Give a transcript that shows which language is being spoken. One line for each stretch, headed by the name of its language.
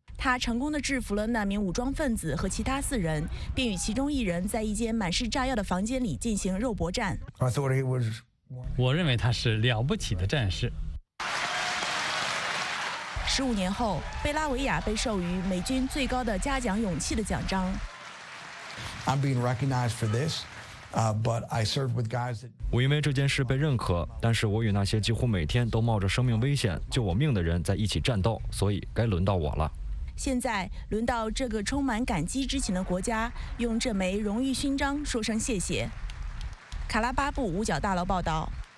Chinese: 他成功地制服了那名武装分子和其他四人，并与其中一人在一间满是炸药的房间里进行肉搏战。我认为他是了不起的战士。十五年后，贝拉维亚被授予美军最高的嘉奖勇气的奖章。
English: I'm being recognized for this. But I served with guys that...
Chinese: 我因为这件事被认可，但是我与那些几乎每天都冒着生命危险救我命的人在一起战斗，所以该轮到我了。现在轮到这个充满感激之情的国家用这枚荣誉勋章说声谢谢。卡拉巴布五角大楼报道。